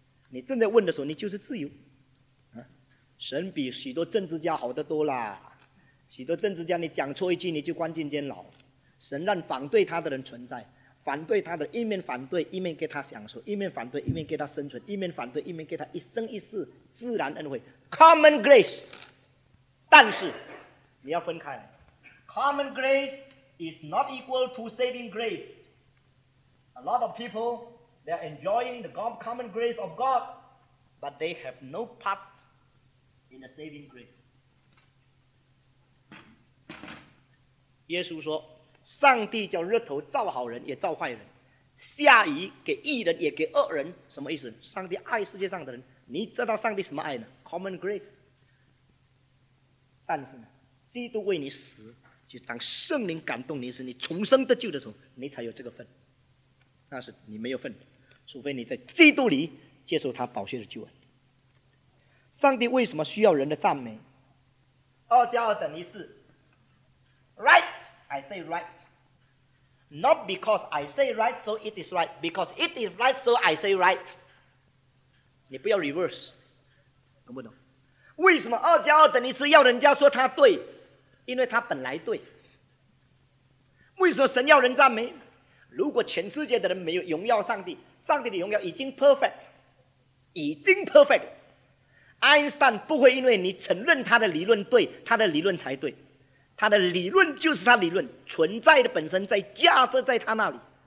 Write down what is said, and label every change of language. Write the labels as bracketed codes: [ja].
[zh] 你正在问的时候，你就是自由。啊，神比许多政治家好得多啦。许多政治家，你讲错一句，你就关进监牢。神让反对他的人存在，反对他的一面反对，一面给他享受；一面反对，一面给他生存；一面反对，一面给他一生一世自然恩惠。 [en] Common grace, [zh] 但是你要分开来。 [en] Common grace is not equal to saving grace. A lot of people, they are enjoying the common grace of God, but they have no part in the saving grace. [zh] 耶稣说，上帝叫日头照好人也照坏人，下雨给义人也给恶人，什么意思？上帝爱世界上的人，你知道上帝什么爱呢？ [en] Common grace。 [zh] 但是呢，基督为你死，就当圣灵感动你时，你重生得救的时候，你才有这个份，那是你没有份，除非你在基督里接受他宝血的救恩。上帝为什么需要人的赞美？二加二等于四。 [en] Right, I say right. Not because I say right, so it is right. Because it is right, so I say right. [zh] 你不要 reverse, 懂不懂？为什么二加二等于四，要人家说他对？因为他本来对。为什么神要人赞美？如果全世界的人没有荣耀上帝，上帝的荣耀已经 perfect, 已经 perfect, 爱因斯坦不会因为你承认他的理论对，他的理论才对，他的理论就是他理论，存在的本身在价值在他那里。